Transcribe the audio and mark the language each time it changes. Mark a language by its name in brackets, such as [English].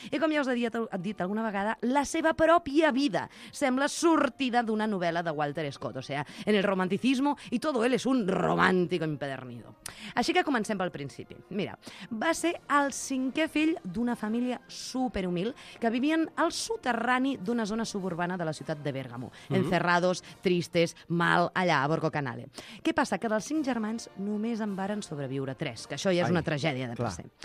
[Catalan] I com ja us he dit alguna vegada, la seva pròpia vida sembla sortida d'una novel·la de Walter Scott. [Spanish] O sea, en el romanticismo y todo él es un romántico empedernido. [Catalan] Així que comencem pel principi. Mira, va ser el cinquè fill d'una família superhumil que vivien al soterrani d'una zona suburbana de la ciutat de Bèrgamo. [Spanish] Encerrados, tristes, mal, allà, a Borgo Canale. Què passa? [Catalan] Que dels cinc germans només en varen sobreviure tres, que això ja és una tragèdia de per se.